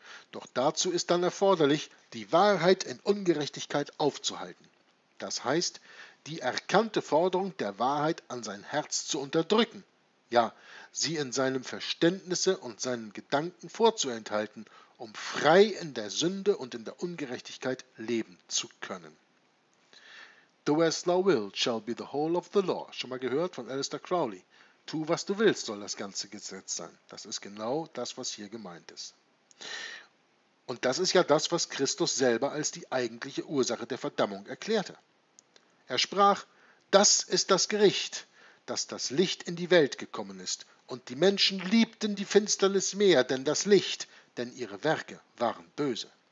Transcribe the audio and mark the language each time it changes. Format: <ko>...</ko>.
<de>Doch dazu ist dann erforderlich, die Wahrheit in Ungerechtigkeit aufzuhalten. Das heißt, die erkannte Forderung der Wahrheit an sein Herz zu unterdrücken. Ja, sie in seinem Verständnisse und seinen Gedanken vorzuenthalten, um frei in der Sünde und in der Ungerechtigkeit leben zu können.</de> <en>Do as thou wilt shall be the whole of the law.</en> <de>Schon mal gehört von Aleister Crowley. Tu, was du willst, soll das ganze Gesetz sein. Das ist genau das, was hier gemeint ist. Und das ist ja das, was Christus selber als die eigentliche Ursache der Verdammung erklärte. Er sprach, das ist das Gericht, dass das Licht in die Welt gekommen ist, und die Menschen liebten die Finsternis mehr, denn das Licht, denn ihre Werke waren böse.</de>